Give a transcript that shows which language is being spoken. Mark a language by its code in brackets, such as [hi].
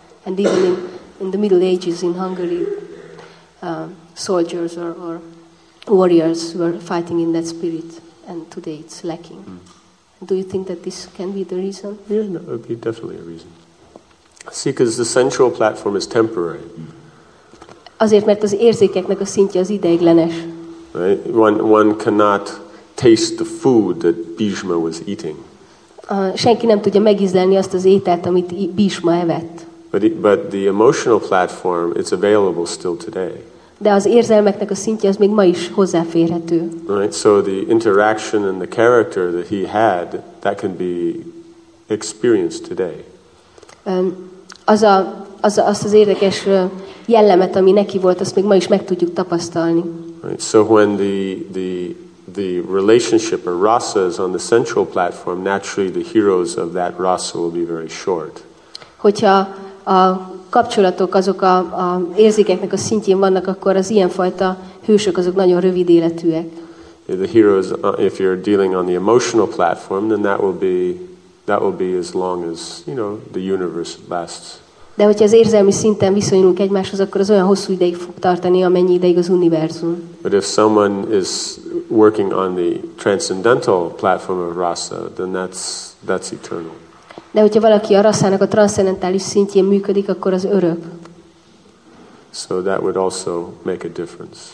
[en] And even in the Middle Ages in Hungary, soldiers or warriors were fighting in that spirit, and today it's lacking. Mm. Do you think that this can be the reason? Yeah, no, it would be definitely a reason. See, because the sensual platform is temporary. [hu] Azért, mert az érzékeknek a szintje az ideiglenes. [en] Right? One cannot taste the food that Bhishma was eating. [hu] Senki nem tudja megízlelni azt az ételt, amit Bhishma evett. [en] But the emotional platform, it's available still today. [hu] De az érzelmeknek a szintje az még ma is hozzáférhető. [en] Right? So the interaction and the character that he had, that can be experienced today. [hu] Azt az érdekes jellemet, ami neki volt, azt még ma is meg tudjuk tapasztalni. [en] Right. So when the relationship or rasa is on the sensual platform, naturally the heroes of that rasa will be very short. [hu] Hogyha a kapcsolatok azok a érzékeknek a szintjén vannak, akkor az ilyenfajta hősök azok nagyon rövid életűek. [en] The heroes, if you're dealing on the emotional platform, then that will be as long as, you know, the universe lasts. [hu] De hogyha az érzelmi szinten viszonyulunk egymáshoz, akkor az olyan hosszú ideig fog tartani, amennyi ideig az univerzum. [en] But if someone is working on the transcendental platform of rasa, then that's eternal. [hu] De hogyha valaki a rasszának a transzcendentális szintjén működik, akkor az örök. [en] So that would also make a difference.